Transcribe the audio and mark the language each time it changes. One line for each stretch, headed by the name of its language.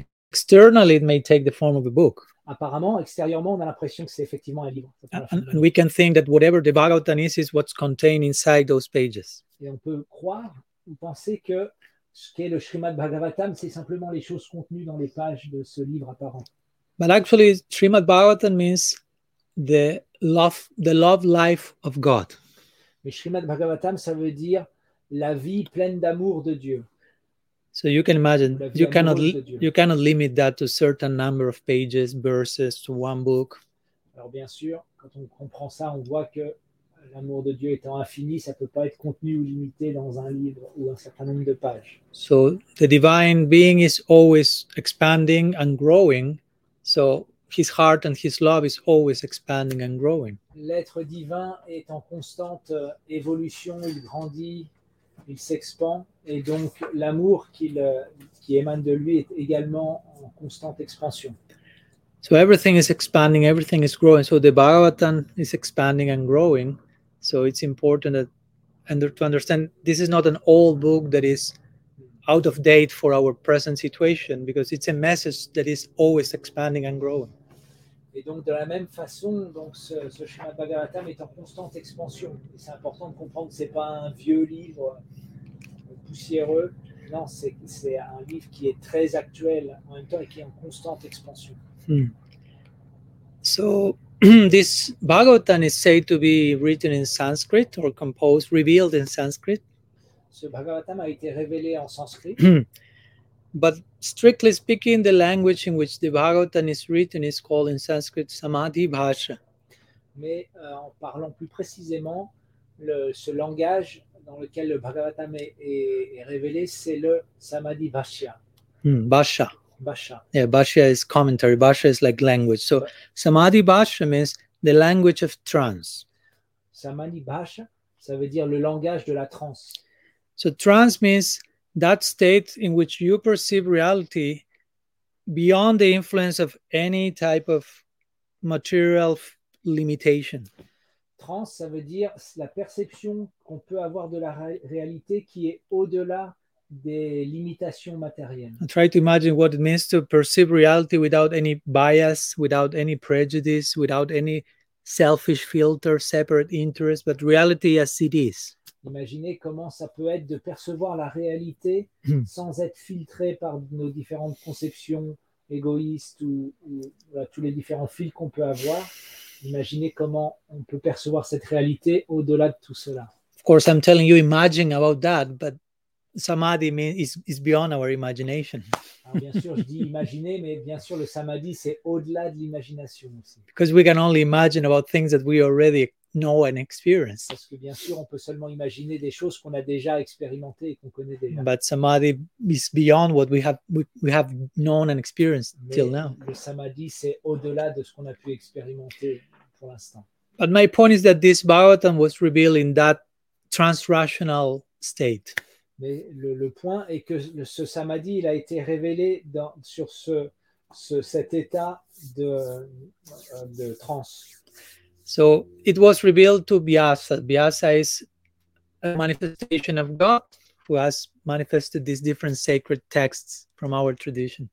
English: Externally, it may take the form of a book.
French: Apparemment, extérieurement, on a l'impression que c'est effectivement un livre.
English: And we can think that whatever the Bhagavatam is what's contained inside those pages.
French: Et on peut croire ou penser que ce qu'est le Srimad Bhagavatam, c'est simplement les choses contenues dans les pages de ce livre apparent.
English: But actually, Srimad Bhagavatam means the love life of God.
French: Mais Srimad Bhagavatam, ça veut dire la vie pleine d'amour de Dieu.
English: So you can imagine, you cannot limit that to a certain number of pages, verses, to one book.
French: Alors bien sûr, quand on comprend ça, on voit que l'amour de Dieu étant infini, ça peut pas être contenu ou limité dans un livre ou un certain nombre de pages.
English: So the divine being is always expanding and growing. So his heart and his love is always expanding and growing.
French: L'être divin est en constante évolution, il grandit. Il s'expand et donc l'amour qui émane de lui est également en constante expansion.
English: So everything is expanding, everything is growing. So the Bhagavatam is expanding and growing. So it's important to understand this is not an old book that is out of date for our present situation because it's a message that is always expanding and growing.
French: Et donc de la même façon, donc ce Srimad Bhagavatam est en constante expansion. Et c'est important de comprendre que ce n'est pas un vieux livre poussiéreux. Non, c'est un livre qui est très actuel en même temps et qui est en constante expansion.
English: So, this Bhagavatam is said to be written in Sanskrit or composed, revealed in Sanskrit.
French: Ce Bhagavatam a été révélé en sanskrit.
English: But strictly speaking, the language in which the Bhagavatam is written is called in Sanskrit Samadhi Bhasha.
French: Mais en parlant plus précisément, ce langage dans lequel le Bhagavatam est révélé, c'est le Samadhi Bhasha.
Sanskrit: Bhasha. Bhasha.
English: Yeah, Bhasha is commentary. Bhasha is like language. So Samadhi Bhasha means the language of trance.
French: Samadhi Bhasha, ça veut dire le langage de la transe.
English: So trance means that state in which you perceive reality beyond the influence of any type of material limitation.
French: Trans, ça veut dire la perception qu'on peut avoir de la réalité qui est au-delà des limitations matérielles.
English: I try to imagine what it means to perceive reality without any bias, without any prejudice, without any selfish filter, separate interest, but reality as it is.
French: Imaginez comment ça peut être de percevoir la réalité sans être filtré par nos différentes conceptions égoïstes ou tous les différents fils qu'on peut avoir. Imaginez comment on peut percevoir cette réalité au-delà de tout cela.
English: Of course, I'm telling you, imagine about that, but samadhi is beyond our imagination.
French: Alors bien sûr, je dis imaginer, mais bien sûr, le samadhi, c'est au-delà de l'imagination aussi.
English: Because we can only imagine about things that we already know and experience.
French: Parce que bien sûr, on peut seulement imaginer des choses qu'on a déjà expérimentées et qu'on connaît déjà.
English: But samadhi is beyond what we have known and experienced
French: Mais
English: till now.
French: Le samadhi, c'est au-delà de ce qu'on a pu expérimenter pour l'instant.
English: But my point is that this Bhagavatam was revealed in that transrational state.
French: Mais le point est que ce samadhi, il a été révélé dans, sur cet état de transe.
English: So it was revealed to Vyasa. Vyasa is a manifestation of God who has manifested these different sacred texts from our tradition.